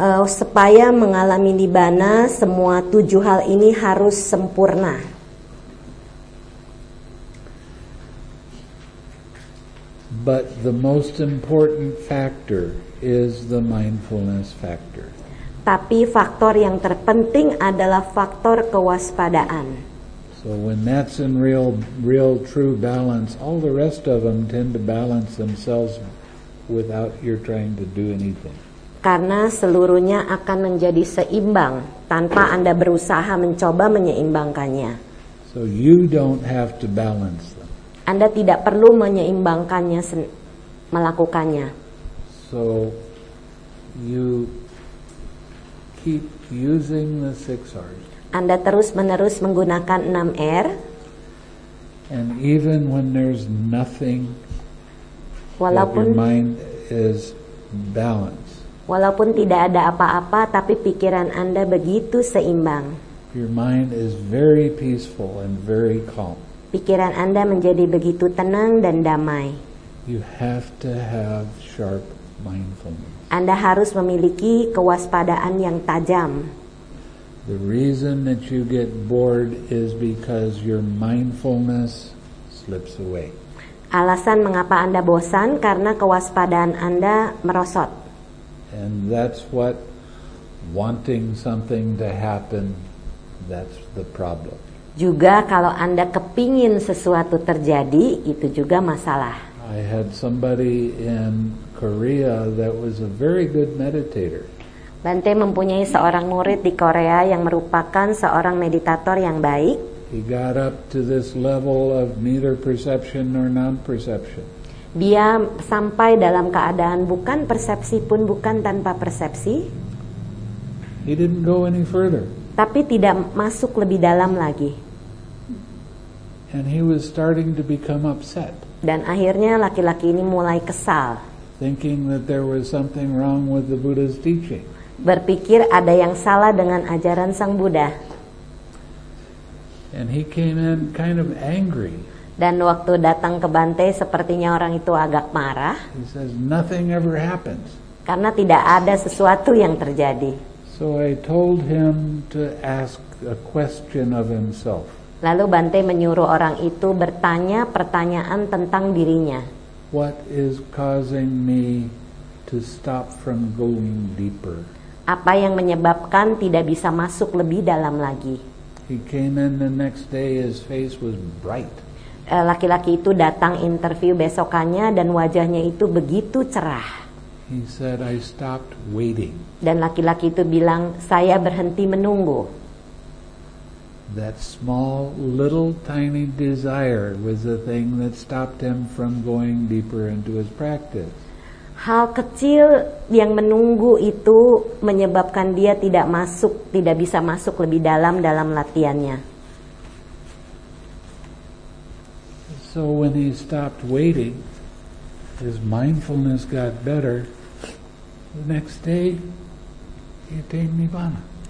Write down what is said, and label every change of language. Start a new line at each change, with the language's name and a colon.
Indonesian: Supaya mengalami nibbana, semua 7 hal ini harus sempurna.
English: But the most important factor is the mindfulness factor.
Indonesian: Tapi faktor yang terpenting adalah faktor kewaspadaan.
English: So when that's in real true balance, all the rest of them tend to balance themselves without your trying to do anything.
Indonesian: Karena seluruhnya akan menjadi seimbang tanpa Anda berusaha mencoba menyeimbangkannya.
English: So you don't have to balance.
Indonesian: Anda tidak perlu menyeimbangkannya, melakukannya.
English: So you keep using the 6 R's.
Indonesian: Anda terus-menerus menggunakan 6 R.
English: And even when there's nothing,
Indonesian: walaupun
English: your mind is balanced.
Indonesian: Walaupun tidak ada apa-apa, tapi pikiran Anda begitu seimbang.
English: Your mind is very peaceful and very calm.
Indonesian: Pikiran Anda menjadi begitu tenang dan damai.
English: You have to have sharp mindfulness.
Indonesian: Anda harus memiliki kewaspadaan yang tajam.
English: The reason that you get bored is because your mindfulness slips away.
Indonesian: Alasan mengapa Anda bosan karena kewaspadaan Anda merosot.
English: And that's what wanting something to happen, that's the problem.
Indonesian: Juga kalau Anda kepingin sesuatu terjadi, itu juga masalah.
English: I had somebody in Korea that was a very good meditator.
Indonesian: Bante mempunyai seorang murid di Korea yang merupakan seorang meditator yang baik.
English: He got up to this level of neither perception nor non-perception.
Indonesian: Dia sampai dalam keadaan bukan persepsi pun bukan tanpa persepsi.
English: He didn't go any further.
Indonesian: Tapi tidak masuk lebih dalam lagi.
English: And he was starting to become upset.
Indonesian: Dan akhirnya laki-laki ini mulai kesal.
English: Thinking that there was something wrong with the Buddha's teaching.
Indonesian: Berpikir ada yang salah dengan ajaran Sang Buddha.
English: And he came in kind of angry.
Indonesian: Dan waktu datang ke Bante, sepertinya orang itu agak marah.
English: He says, "Nothing ever happens."
Indonesian: Karena tidak ada sesuatu yang terjadi.
English: So I told him to ask a question of himself.
Indonesian: Lalu Bante menyuruh orang itu bertanya pertanyaan tentang dirinya.
English: What is causing me to stop from going deeper?
Indonesian: Apa yang menyebabkan tidak bisa masuk lebih dalam lagi?
English: He came in the next day, his face was bright.
Indonesian: Laki-laki itu datang interview besokannya dan wajahnya itu begitu cerah.
English: He said, "I stopped waiting."
Indonesian: Dan laki-laki itu bilang, "Saya berhenti menunggu."
English: That small, little, tiny desire was the thing that stopped him from going deeper into his practice.
Indonesian: Hal kecil yang menunggu itu menyebabkan dia tidak bisa masuk lebih dalam latihannya.
English: So when he stopped waiting, his mindfulness got better. The next day, he attained nibbana.